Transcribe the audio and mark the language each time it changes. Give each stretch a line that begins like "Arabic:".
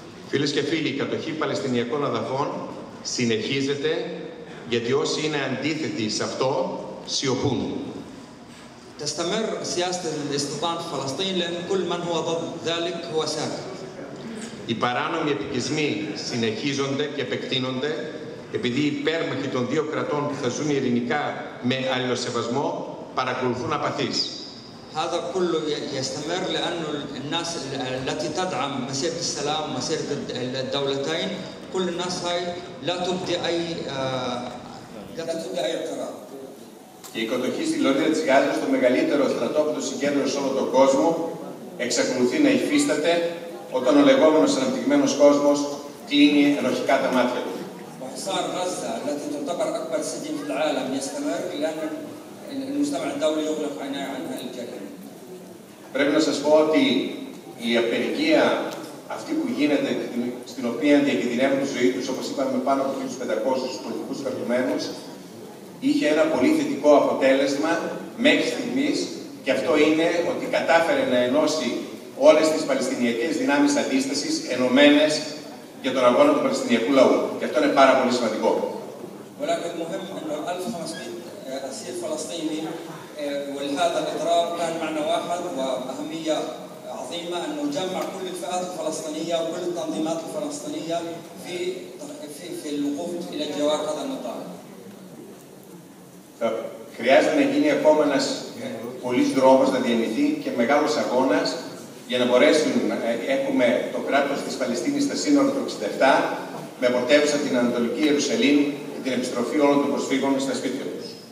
Greek: Φίλες και φίλοι, η κατοχή Παλαιστινιακών αδαφών συνεχίζεται γιατί όσοι είναι αντίθετοι σε αυτό σιωπούν.
Arabic: تستمر سياسة الاستيطان في فلسطين لأن كل من هو ضد ذلك هو ساكت.
Greek: Οι παράνομοι επικισμοί συνεχίζονται και επεκτείνονται επειδή οι υπέρμαχοι των δύο κρατών που θα ζουν ειρηνικά με αλληλοσεβασμό παρακολουθούν απαθείς.
Arabic: هذا كله يستمر لأنه الناس التي تدعم مسيرة السلام ومسيرة الدولتين كل الناس هاي لا تبدي أي اعتراض.
Greek: Και η κατοχή στη Λωρίδα της Γάζας, το μεγαλύτερο στρατόπεδο συγκέντρωση σε όλο τον κόσμο, εξακολουθεί να υφίσταται όταν ο λεγόμενος αναπτυγμένος κόσμος κλείνει ενοχικά τα μάτια του.
Arabic: وحصار غزة التي تعتبر أكبر سجن في العالم يستمر لأن المجتمع الدولي يغلق عينيه عن الجريمة.
Greek: Πρέπει να σας πω ότι η απεργία αυτή που γίνεται στην οποία διακινδυνεύουν τη ζωή τους, όπως είπαμε, πάνω από 1.500 πολιτικούς κρατουμένους, είχε ένα πολύ θετικό αποτέλεσμα μέχρι στιγμής και αυτό είναι ότι κατάφερε να ενώσει όλες τις παλαιστινιακές δυνάμεις αντίστασης ενωμένες για τον αγώνα του Παλαιστινιακού λαού. Και αυτό είναι πάρα πολύ σημαντικό.
Arabic: ولكن مهم أن 1500 أسير فلسطيني ولهذا الإضرار كان معنى واحد وأهمية عظيمة أن نجمع كل الفئات الفلسطينية وكل التنظيمات الفلسطينية في الوقوف إلى جوار هذا النطاق.
Greek: Χρειάζεται να γίνει ακόμα ένας πολύς δρόμος να διανυθεί και μεγάλος αγώνας για να μπορέσουν να έχουμε το κράτος της Παλαιστίνης στα σύνορα του 67 με αποτέλεσμα την Ανατολική Ιερουσαλήμ και την επιστροφή όλων των προσφύγων στα σπίτια τους.